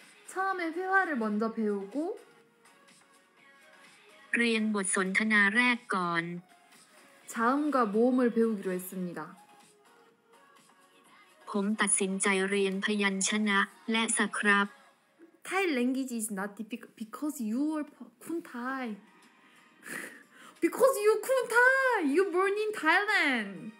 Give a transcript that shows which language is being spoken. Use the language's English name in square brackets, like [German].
[Korean] 처음에회화를먼저배우고 [Thai] เรียนบทสนทนาแรกก่อน [Korean] 자음과모음을배우기로했습니다 [Thai] ผมตัดสินใจเรียนพยัญชนะและสครับ [English] Thai language is not difficult because you are Khun Thai. Because you Khun Thai, you born in Thailand.